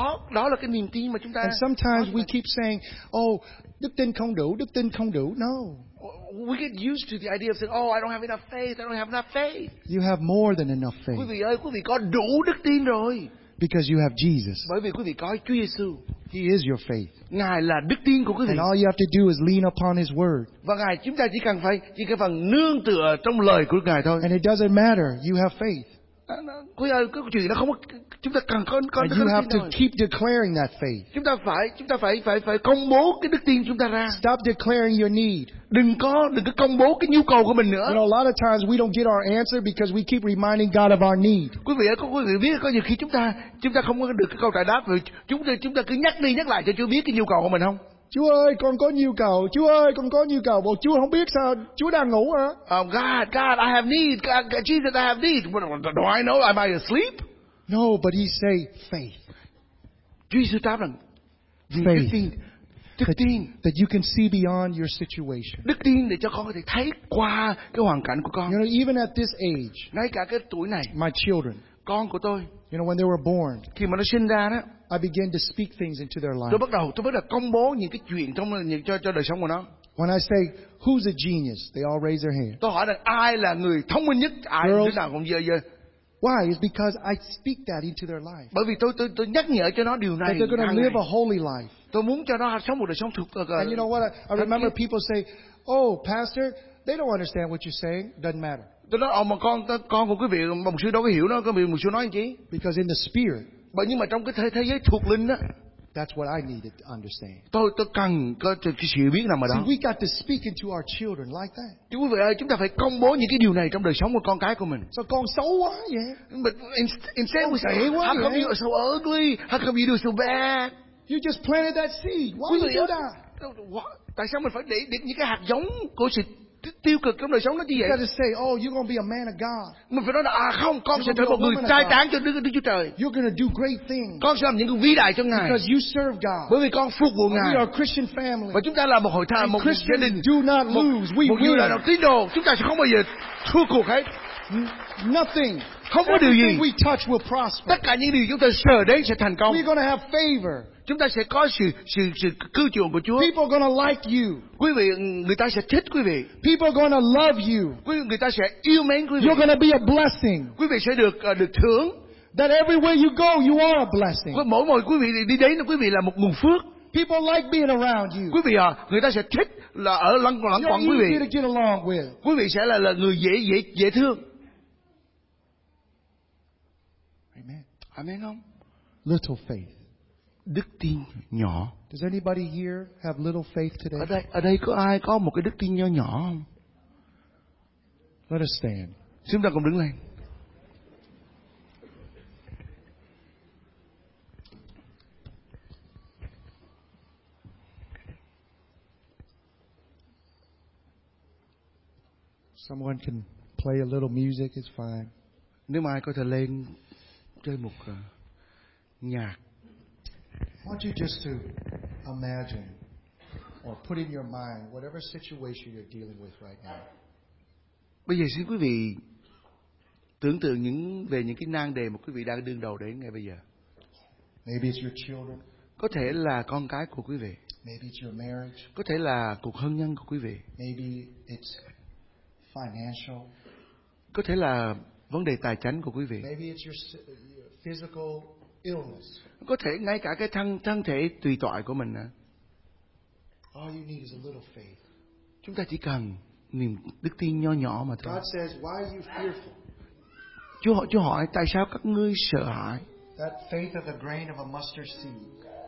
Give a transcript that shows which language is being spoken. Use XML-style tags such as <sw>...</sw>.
<vi>Đó là cái niềm tin mà chúng ta.</vi> <en>And sometimes we keep saying, "Oh,</en> <vi>đức tin không đủ, đức tin không đủ."</vi> <en>No. We get used to the idea of saying, "Oh, I don't have enough faith. I don't have enough faith." You have more than enough faith.</en> <vi>Quý vị ơi, quý vị có đủ đức tin rồi.</vi> <en>Because you have Jesus.</en> <vi>Bởi vì quý vị có Chúa Giêsu.</vi> <en>He is your faith.</en> <vi>Ngài là đức tin của quý vị.</vi> <en>And all you have to do is lean upon His word.</en> <vi>Và ngài, chúng ta chỉ cần nương tựa trong lời của ngài thôi.</vi> <en>And it doesn't matter. You have faith.</en> <vi>Quý ơi, cái chuyện đó không có, chúng ta cần có</vi> <en>you have to keep declaring that faith.</en> <vi>Chúng ta phải công bố cái đức tin chúng ta ra.</vi> <en>Stop declaring your need.</en> <vi>Đừng có công bố cái nhu cầu của mình nữa.</vi> <en>You know, a lot of times we don't get our answer because we keep reminding God of our need.</en> <vi>Quý vị ơi, có quý vị biết có nhiều khi chúng ta không có được cái câu trả đáp, chúng ta cứ nhắc đi nhắc lại cho Chúa biết cái nhu cầu của mình không? Chúa ơi, con có nhu cầu. Chúa ơi, con có nhu cầu. Bộ Chúa không biết sao? Chúa đang ngủ hả?</vi> <en>Oh God, I have need. God, Jesus, I have need. Do I know? Am I asleep? No, but He say faith. Jesus, faith. Đức tin that you can see beyond your situation.</en> <vi>Đức tin để cho con có thể thấy qua cái hoàn cảnh của con.</vi> <en>You know, even at this age,</en> <vi>ngay cả cái tuổi này,</vi> <en>my children,</en> <vi>con của tôi,</vi> <en>you know, when they were born,</en> <vi>khi mà nó sinh ra đó,</vi> <en>I began to speak things into their life.</en> <vi>Tôi bắt đầu công bố những cái chuyện trong cho đời sống của nó.</vi> <en>When I say who's a genius, they all raise their hand.</en> <vi>Tôi hỏi là ai là người thông minh nhất, ai đứa nào cũng giơ.</vi> <en>Why? It's because I speak that into their life.</en> <vi>Bởi vì tôi nhắc nhở cho nó điều này.</vi> <en>That they're going to live a holy life.</en> <vi>Tôi muốn cho nó sống một đời sống thuộc.</vi> <en>And you know what? I remember people say, "Oh, pastor, they don't understand what you're saying. Doesn't matter."</en> <vi>Tôi nói, mà con của quý vị, mà một sư đâu có hiểu nó, có bị một sư nói gì?</vi> <en>Because in the spirit.</en> <vi>Bởi nhưng mà trong cái thế giới thuộc linh đó.</vi> <en>That's what I needed to understand.</en> <vi>Tôi cần cái sự hiểu biết nằm ở đó.</vi> <en>See, we got to speak into our children like that.</en> <vi>Chúng quý vị ơi, chúng ta phải công bố những cái điều này trong đời sống của con cái của mình. So con xấu quá vậy.</vi> <en>But instead we say, how come you are so ugly? How come you do so bad? You just planted that seed. Why did you do that?</en> <vi>Tại sao mình phải để những cái hạt giống của sự tiêu cực trong đời sống nó như vậy?</vi> <en>You gotta say, oh, you're gonna be a man of God.</en> <vi>Mình phải nói là, không, con sẽ trở thành một người trai tráng cho Đức Chúa Trời.</vi> <en>You're gonna do great things.</en> <vi>Con sẽ làm những vĩ đại cho Ngài.</vi> <en>Because you serve God.</en> <vi>Bởi vì con phục vụ Ngài.</vi> <en>We are a Christian family.</en> <vi>Và chúng ta là một hội thánh, một gia đình.</vi> <en>Do not lose. We win.</en> <vi>Là một tín đồ, chúng ta sẽ không bao giờ thua cuộc hết.</vi> <en>Nothing.</en> <vi>Không có điều gì.</vi> <en>Everything we touch will prosper.</en> <vi>Tất cả những điều chúng ta sờ đến sẽ thành công.</vi> <en>We're gonna have favor.</en> <vi>Chúng ta sẽ có sự cứu chuộc của Chúa.</vi> <en>People are gonna like you.</en> <vi>Quý vị, người ta sẽ thích quý vị.</vi> <en>People are gonna love you.</en> <vi>Quý vị, người ta sẽ yêu mến quý vị.</vi> <en>You're gonna be a blessing.</en> <vi>Quý vị sẽ được thưởng.</vi> <en>That everywhere you go, you are a blessing.</en> <vi>Mỗi mọi quý vị đi đến, quý vị là một nguồn phước.</vi> <en>People like being around you.</en> <vi>Quý vị à, người ta sẽ thích là ở lân quẩn quý vị.</vi> <en>You're easy to get along with.</en> <vi>Quý vị sẽ là người dễ thương.</vi> <en>Amen.</en> <vi>Amen không?</vi> <en>Little faith.</en> <vi>Đức tin nhỏ.</vi> <en>Does anybody here have little faith today?</en> <vi>Ở đây có ai có một cái đức tin nhỏ nhỏ không?</vi> <en>Let us stand.</en> <vi>Chúng ta cùng đứng lên.</vi> <en>Someone can play a little music, it's fine.</en> <vi>Nếu mà ai có thể lên chơi một nhạc.</vi> <en>I want you just to imagine or put in your mind whatever situation you're dealing with right now.</en> <vi>Bây giờ xin quý vị tưởng tượng về những cái nan đề mà quý vị đang đương đầu đến ngay bây giờ.</vi> <en>Maybe it's your children.</en> <vi>Có thể là con cái của quý vị.</vi> <en>Maybe it's your marriage.</en> <vi>Có thể là cuộc hôn nhân của quý vị.</vi> <en>Maybe it's financial.</en> <vi>Có thể là vấn đề tài chính của quý vị.</vi> <en>Maybe it's your physical illness.</en> <vi>Có thể ngay cả cái thân thể tùy tội của mình.</vi> <en>All you need is a little faith.</en> <vi>Chúng ta chỉ cần niềm đức tin nhỏ nhỏ mà thôi.</vi> <en>God says, why are you fearful?</en> <vi>Chúa hỏi tại sao các ngươi sợ hãi?</vi> <en>That faith of the grain of a mustard seed.</en>